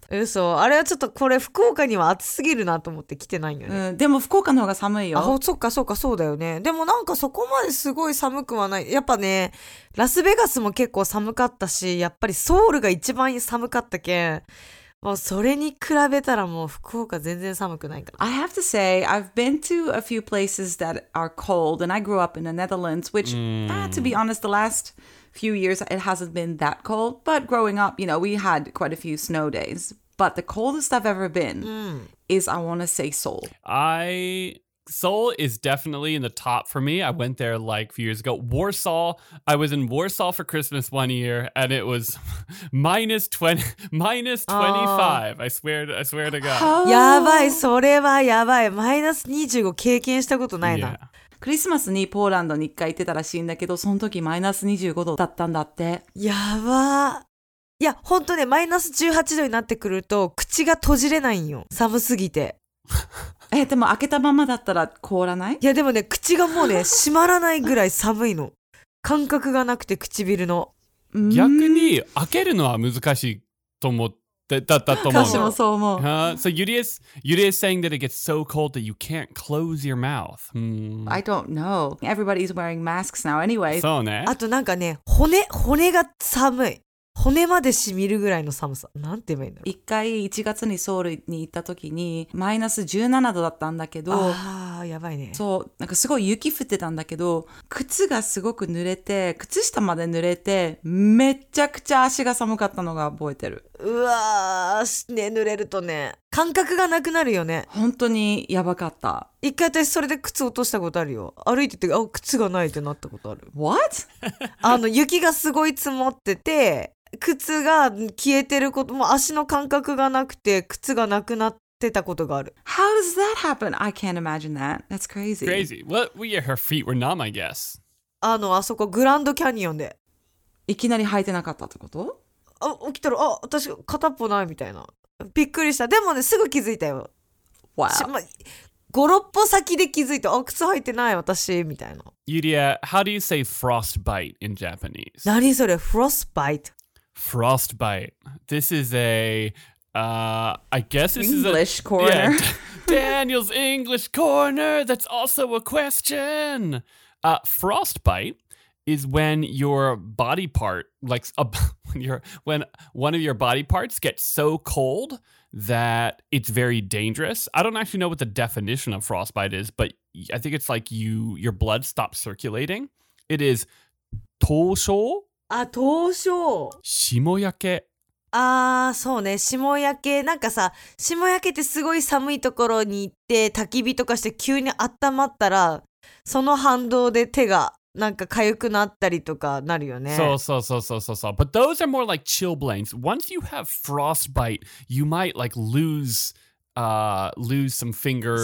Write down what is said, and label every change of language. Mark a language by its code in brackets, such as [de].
[ja] 嘘、あれはちょっとこれ福岡には暑すぎるなと思って来てないよね、うん、でも福岡の方が寒いよ。あ、そっかそっか、そうだよね。でもなんかそこまですごい寒くはない。やっぱね、ラスベガスも結構寒かったし、やっぱりソウルが一番寒かったけん、もうそれに比べたらもう福岡全然寒くないから。 [en] I have to say I've been to a few places that are cold and I grew up in the Netherlands which、mm. To be honest, the last few years it hasn't been that cold, but growing up, you know, we had quite a few snow days. But the coldest I've ever been、mm. is, I want to say Seoul. Seoul is definitely in the top for me. I went there like a few years ago. Warsaw, I was in Warsaw for Christmas one year and it was minus 25. I swear to God. [ja] やばい、それはやばい。マイナス25経験したことないな。 [en] Yeah. [ja] クリスマスにポーランドに一回行ってたらしいんだけど、その時マイナス25度だったんだって。やば。いや、ほんとね、マイナス18度になってくると、口が閉じれないんよ。寒すぎて。でも開けたままだったら凍らない？いや、でもね、口がもうね、閉まらないぐらい寒いの。感覚がなくて、唇の。逆に、開けるのは難しいと思って。 [en] So Yuri is saying that it gets so cold that you can't close your mouth. Mm. I don't know. Everybody's wearing masks now anyway. [ja] そうね。あとなんかね、骨が寒い。骨まで染みるぐらいの寒さ。なんて言えばいいんだろう。一回1月にソウルに行った時にマイナス17度だったんだけど。あー、やばいね。そう、なんかすごい雪降ってたんだけど、靴がすごく濡れて、靴下まで濡れて、めちゃくちゃ足が寒かったのが覚えてる。うわー、足ね、濡れるとね、感覚がなくなるよね。本当にやばかった。一回私それで靴落としたことあるよ。歩いてて、あ、靴がないってなったことある。 [en] What? [ja] あの、雪がすごい積もってて、靴が消えてること、もう足の感覚がなくて、靴がなくなってたことがある。 [en] How does that happen? I can't imagine that. That's crazy. Crazy. Well, yeah, her feet were numb, I guess. [ja] あの、あそこ、グランドキャニオンで。いきなり履いてなかったってこと？あ、起きたら、あ、私、片っぽないみたいな。びっくりした。でもね、すぐ気づいたよ。 [en] Wow. [ja] 5、6歩先で気づいた。あ、靴履いてない私みたいな。 [en] Yuria, how do you say frostbite in Japanese? [ja] 何それ ?Frostbite? [en] Frostbite. This is a, I guess this English is a... English corner. Yeah, Daniel's English corner. That's also a question. Frostbite is when your body part, like, when one of your body parts gets so cold that it's very dangerous. I don't actually know what the definition of frostbite is, but I think it's like your blood stops circulating. It is 凍傷。 [ja] あ、凍傷。霜焼け。あー、そうね、霜焼け。なんかさ、霜焼けってすごい寒いところに行って焚き火とかして急に温まったら、その反動で手がなんか痒くなったりとかなるよね。そうそうそうそうそうそう。 [en] But those are more like chilblains. Once you have frostbite, you might like lose some fingers.